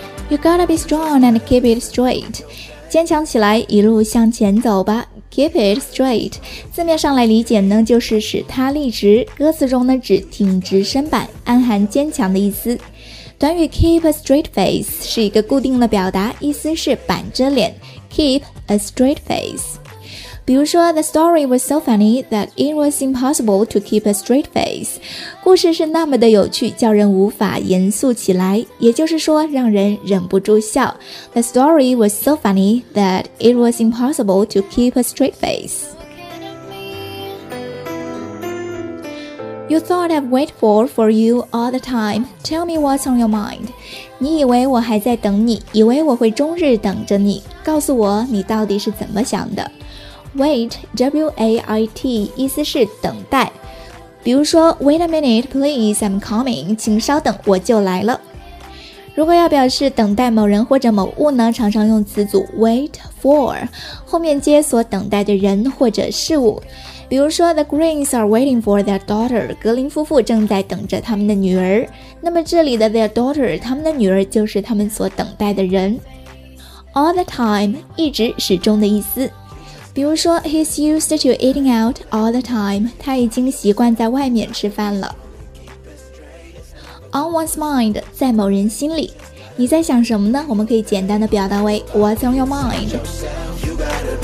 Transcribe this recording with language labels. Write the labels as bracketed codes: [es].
[en] You gotta be strong and keep it straight. [zh] 坚强起来，一路向前走吧。 [en] Keep it straight， [zh] 字面上来理解呢，就是使它立直。歌词中呢，指挺直身板，暗含坚强的意思。短语 keep a straight face 是一个固定的表达，意思是板着脸。 keep a straight face， 比如说 [en] The story was so funny that it was impossible to keep a straight face， [zh] 故事是那么的有趣，叫人无法严肃起来，也就是说让人忍不住笑。 [en] The story was so funny that it was impossible to keep a straight faceYou thought I'd wait for you all the time. Tell me what's on your mind. [zh] 你以为我还在等你，以为我会终日等着你，告诉我你到底是怎么想的。 Wait, W-A-I-T, 意思是等待。 [en] 比如说 Wait a minute, please, I'm coming. [zh] 请稍等，我就来了。如果要表示等待某人或者某物呢，常常用词组 wait for, 后面接所等待的人或者事物。 [en] 比如说 The Greens are waiting for their daughter， [zh] 格林夫妇正在等着他们的女儿。那么这里的 their daughter， 他们的女儿就是他们所等待的人。 [en] All the time， [zh] 一直始终的意思。 [en] 比如说 He's used to eating out all the time， [zh] 他已经习惯在外面吃饭了。 [en] On one's mind， [zh] 在某人心里。你在想什么呢？我们可以简单的表达为 [en] What's on your mind。